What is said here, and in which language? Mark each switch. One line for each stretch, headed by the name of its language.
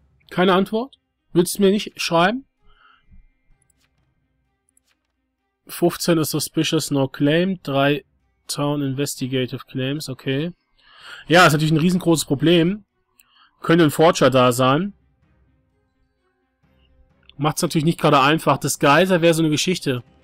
German: Keine Antwort? Willst du mir nicht schreiben?
English: 15 ist suspicious, no claim. 3 town investigative claims, okay.
German: Ja, ist natürlich ein riesengroßes Problem. Könnte ein Forger da sein. Macht es natürlich nicht gerade einfach. Das Geiser wäre so eine Geschichte.